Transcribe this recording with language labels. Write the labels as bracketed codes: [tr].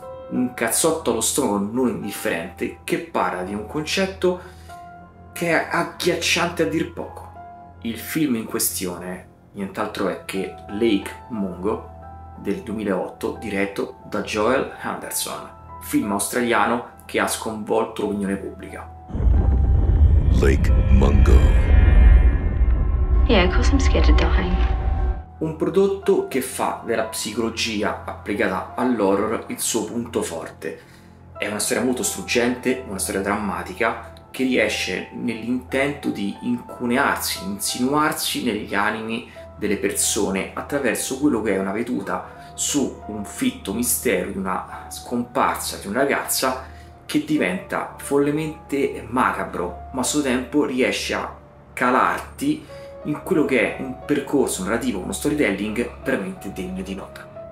[it] Un cazzotto allo stomaco non indifferente che parla di un concetto che è agghiacciante a dir poco. Il film in questione nient'altro è che Lake Mungo del 2008, diretto da Joel Anderson, film australiano che ha sconvolto l'opinione pubblica. Lake Mungo. [en] Yeah, 'cause I'm scared to die. [it] Un prodotto che fa della psicologia applicata all'horror il suo punto forte. È una storia molto struggente, una storia drammatica, che riesce nell'intento di incunearsi, insinuarsi negli animi delle persone attraverso quello che è una veduta su un fitto mistero di una scomparsa di una ragazza che diventa follemente macabro, ma a suo tempo riesce a calarti in quello che è un percorso narrativo, uno storytelling veramente degno di nota.